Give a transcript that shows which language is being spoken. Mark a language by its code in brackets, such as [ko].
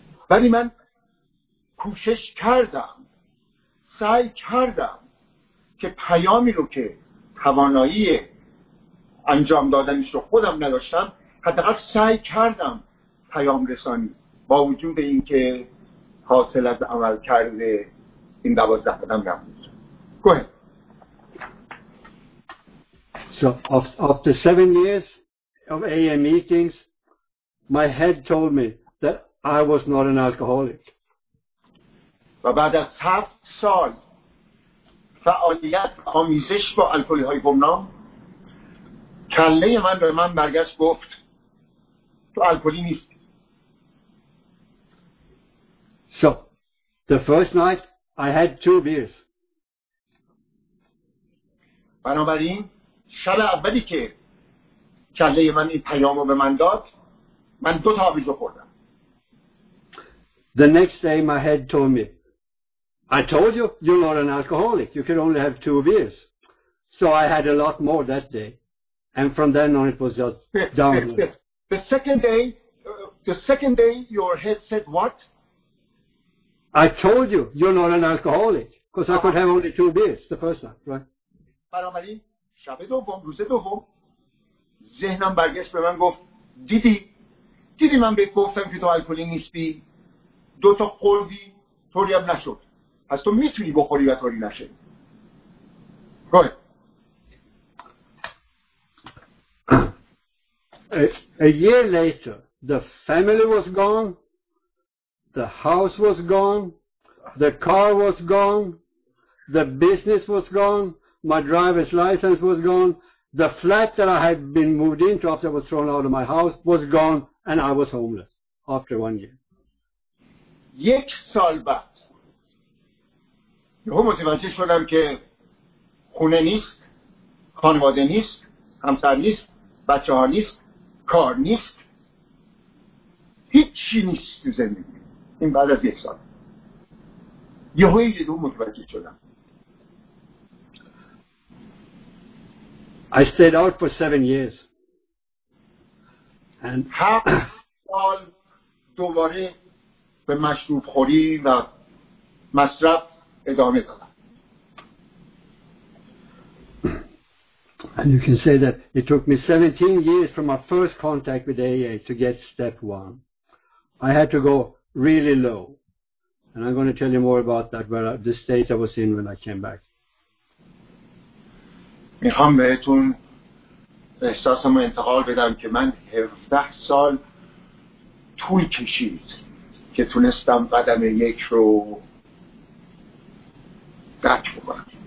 [fa] ولی من کوشش کردم، سعی کردم که پیامی رو که توانایی انجام دادنش رو خودم نداشتم، حداقل سعی کردم پیام رسانی با وجود اینکه حاصل از عمل کرده این 12 قدم نبود. [en] Go ahead. So after 7 years of AA meetings, my head told me that I was not an alcoholic. [fa] و بعد از 7 سال فعالیت آمیزش با الکلی های گمنام، کله من به من برگشت گفت تو الکلی نیستی. [en] So the first night I had 2 beers. [fa] بنابراین شب اولی که کله من این پیام رو به من داد، من 2 تا آبجو خوردم. [en] The next day my head told me, I told you, you're not an alcoholic, you can only have 2 beers. So I had a lot more that day. And from then on it was just downhill. The second day your head said what? I told you, you're not an alcoholic, because I could have only 2 beers the first time, right? [fa] بنابراین شب دوم، روز دوم، ذهنم برگشت به من گفت دیدی من بهت گفتم که تو الکلی نیستی، 2 تا خوردی طوری هم نشد، پس تو میتونی بخوری و طوری نشه. [en] Go ahead. A year later, the family was gone, the house was gone, the car was gone, the business was gone, my driver's license was gone, the flat that I had been moved into after I was thrown out of my house was gone, and I was homeless after 1 year. [fa] یک سال بعد یهو متوجه شدم که خونه نیست، خانواده نیست، همسر نیست، بچه ها نیست، کار نیست، هیچی نیست تو زندگی. این بعد از 1 سال یهو یهو متوجه شدم. [en] I stayed out for 7 years. And [fa] 7 سال دوباره به مشروب خوری و مصرف ادامه دادم. [en] And you can say that it took me 17 years from my first contact with AA to get step one. I had to go really low. And I'm going to tell you more about that, where the state I was in when I came back. [fa] میخوام بهتون احساسم انتقال بدم که من 17 سال طول کشید که تونستم قدم 1 رو درک بکنم.